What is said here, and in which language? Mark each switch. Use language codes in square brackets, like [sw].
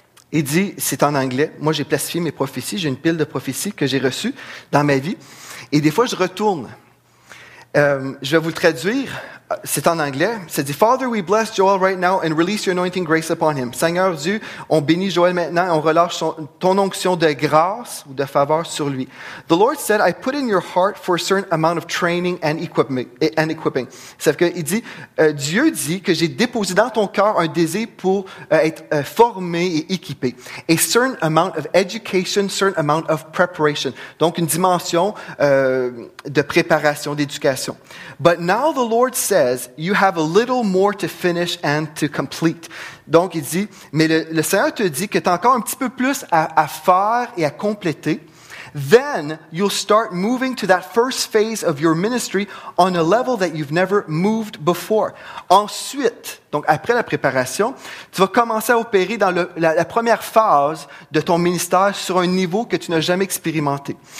[fr] Il dit, c'est en anglais, moi j'ai plastifié mes prophéties, j'ai une pile de prophéties que j'ai reçues dans ma vie. Et des fois, je retourne. Je vais vous le traduire C'est en anglais. Ça dit, [en] Father, we bless Joel right now and release your anointing grace upon him. [fr] Seigneur Dieu, on bénit Joel maintenant et on relâche ton onction de grâce ou de faveur sur lui. [en] The Lord said, I put in your heart for a certain amount of training and equipping. [fr] C'est-à-dire qu'il dit, Dieu dit que j'ai déposé dans ton cœur un désir pour être formé et équipé. [en] A certain amount of education, certain amount of preparation. [fr] Donc, une dimension de préparation, d'éducation. [en] But now the Lord says, you have a little more to finish and to complete. [fr] Donc, il dit, mais le Seigneur te dit que tu as encore un petit peu plus à faire et à compléter. [en] Then you'll start moving to that first phase of your ministry on a level that you've never moved before. [fr] Ensuite, donc après la préparation, tu vas commencer à opérer dans la première phase de ton ministère sur un niveau que tu n'as jamais expérimenté.